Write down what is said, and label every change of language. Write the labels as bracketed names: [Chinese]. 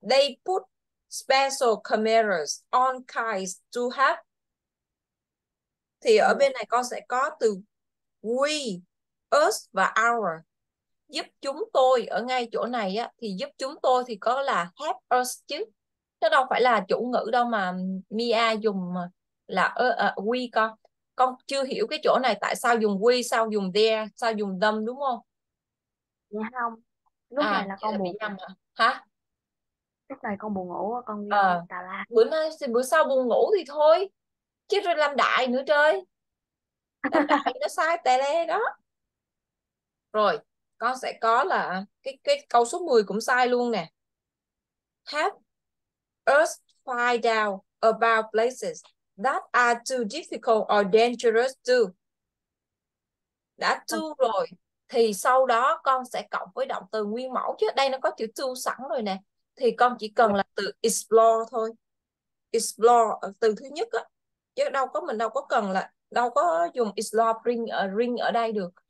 [English] They put special cameras on kites to have. [Vietnamese] Thì ở bên này con sẽ có từ we, us và our. Giúp chúng tôi ở ngay chỗ này á, thì giúp chúng tôi thì có là [English] help us [Vietnamese] chứ. Nó đâu phải là chủ ngữ đâu mà Mia dùng là we con. Con chưa hiểu cái chỗ này tại sao dùng we, sao dùng there, sao dùng them đúng không? Không, lúc này À, vậy con là bị buồn, nhầm à? Hả? lúc này con buồn ngủ, con đi Ờ, tà la. bữa nay thì bữa sau buồn ngủ thì thôi. Chứ rồi làm đại nữa trời. Làm đại nó sai tè le đó. Rồi, con sẽ có là cái câu số 10 cũng sai luôn nè. [English] Help us find out about places that are too difficult or dangerous to. [Vietnamese] Đã to rồi thì sau đó con sẽ cộng với động từ nguyên mẫu chứ. Đây nó có chữ to sẵn rồi nè. Thì con chỉ cần là từ explore thôi. Explore từ thứ nhất á. Chứ đâu có, mình đâu có cần là, đâu có dùng explore ring ở đây được.